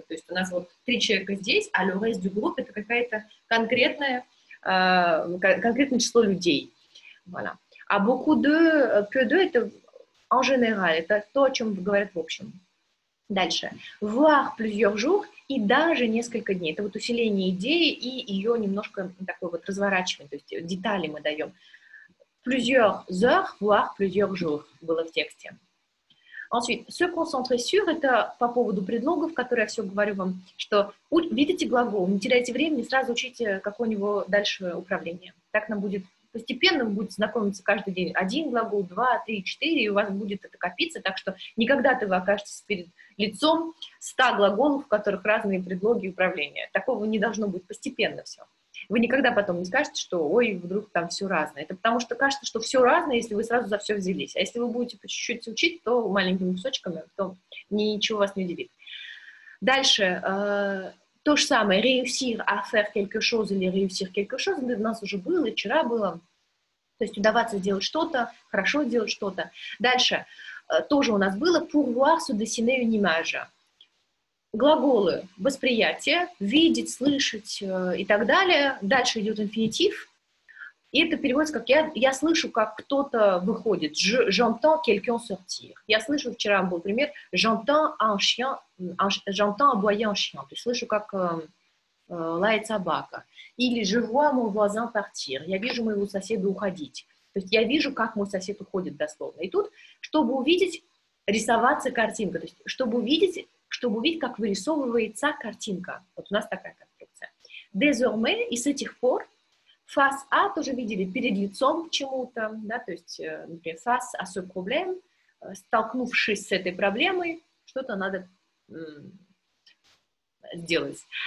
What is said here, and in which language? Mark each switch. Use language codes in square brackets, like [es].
[ru] То есть у нас вот три человека здесь, а [fr] «le reste du groupe» [ru] — это какая-то конкретная, конкретное число людей. [fr] Voilà. [ru] А [fr] «beaucoup de», «peu de» [ru] — это [fr] «en général», [ru] это то, о чем говорят в общем. Дальше. [fr] «Voir plusieurs jours» [ru] и «даже несколько дней». Это вот усиление идеи и ее немножко такое вот разворачивание, то есть детали мы даем. [fr] «Plusieurs heures», «voir plusieurs jours» [ru] было в тексте. Ensuite, [fr] «se concentrer sur» [ru] — это по поводу предлогов, которые я все говорю вам, что видите глагол, не теряйте времени, сразу учите, какое у него дальше управление. Так нам будет постепенно, вы будете знакомиться каждый день. Один глагол, два, три, четыре, и у вас будет это копиться, так что никогда-то вы окажетесь перед лицом 100 глаголов, в которых разные предлоги и управления. Такого не должно быть, постепенно все. Вы никогда потом не скажете, что ой, вдруг там все разное. Это потому что кажется, что все разное, если вы сразу за все взялись. А если вы будете по чуть-чуть учить, то маленькими кусочками, то ничего вас не удивит. Дальше. То же самое. [fr] «Réussir à faire quelque chose» или «réussir quelque chose» [ru] у нас уже было, вчера было. То есть удаваться сделать что-то, хорошо сделать что-то. Дальше. Тоже у нас было [fr] «pouvoir se dessiner une image». [ru] Глаголы «восприятие», «видеть», «слышать» и так далее. Дальше идет инфинитив. И это переводится как «я слышу, как кто-то выходит». [fr] «J'entends quelqu'un sortir». [ru] Я слышу, вчера был пример, [fr] «j'entends aboyer un chien». [ru] То есть слышу, как лает собака. [fr] Или «je vois mon voisin partir». [ru] Я вижу моего соседа уходить. То есть я вижу, как мой сосед уходит дословно. И тут, чтобы увидеть, рисоваться картинка. То есть чтобы увидеть... чтобы увидеть, как вырисовывается картинка. Вот у нас такая конструкция. Désormais, и с этих пор, face à, тоже видели, перед лицом к чему-то, да, то есть, например, [fr] face à ce problème, [ru] столкнувшись с этой проблемой, что-то надо сделать.